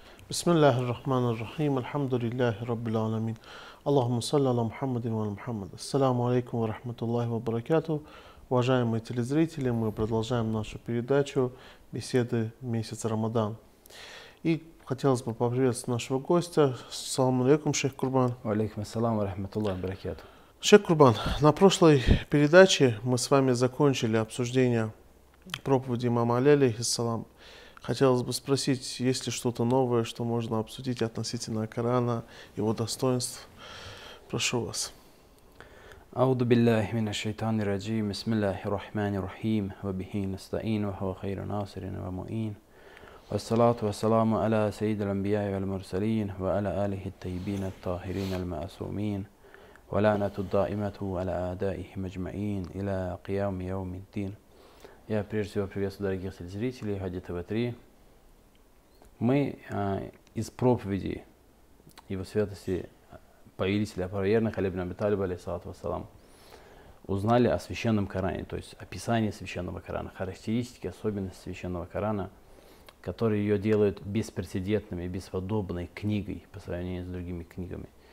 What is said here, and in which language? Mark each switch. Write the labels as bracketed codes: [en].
[ar] بسم الله الرحمن الرحيم الحمد لله رب العالمين اللهم صل على محمد وعلى محمد السلام عليكم ورحمة الله وبركاته [ru] уважаемые телезрители мы продолжаем нашу передачу беседы месяц Рамадан и хотелось бы поприветствовать нашего гостя [ar] السلام عليكم شيخ قربان وعليكم السلام ورحمة الله وبركاته [ru] شيخ قربان на прошлой передаче мы с вами закончили обсуждение проповеди имама Али алейхи салам. Хотелось бы спросить, есть ли что-то новое, что можно обсудить относительно Корана, его достоинств? Прошу вас. [ar] أعوذ بالله من الشيطان الرجيم بسم الله الرحمن الرحيم وبه نستعين وهو خير ناصر ومؤين والصلاة والسلام على سيد الأنبياء والمرسلين وعلى آله الطيبين الطاهرين المعصومين ولعنة الدائمة على أعدائهم أجمعين إلى قيام يوم الدين. [ru] Я прежде всего приветствую дорогих зрителей Хадита В3. Мы из проповеди Его Святости Повелителя Правоверных Али ибн Аби Талиба алейхиссалату вассалам узнали о Священном Коране, то есть описание Священного Корана, характеристики, особенности Священного Корана, которые ее делают беспрецедентной, бесподобной книгой по сравнению с другими книгами.